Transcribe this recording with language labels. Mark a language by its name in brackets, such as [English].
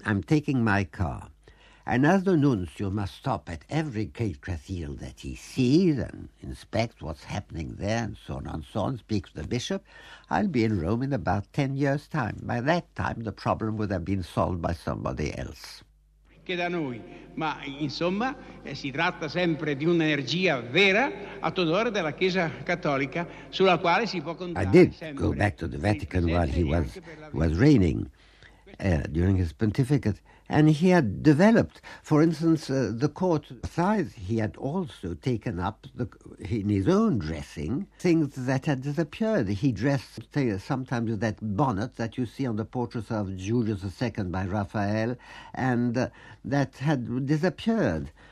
[English] I'm taking my car. And as the nuncio must stop at every great cathedral that he sees and inspects what's happening there and so on, speaks to the bishop, I'll be in Rome in about 10 years' time. By that time, the problem would have been solved by somebody else. [Italian] Che da noi, ma insomma si tratta sempre di un'energia vera a tutore della Chiesa Cattolica sulla quale si può contare. [English] I did go back to the Vatican while he was reigning during his pontificate, and he had developed, for instance, the court size. He had also taken up in his own dressing things that had disappeared. He dressed sometimes with that bonnet that you see on the portraits of Julius II by Raphael, and that had disappeared.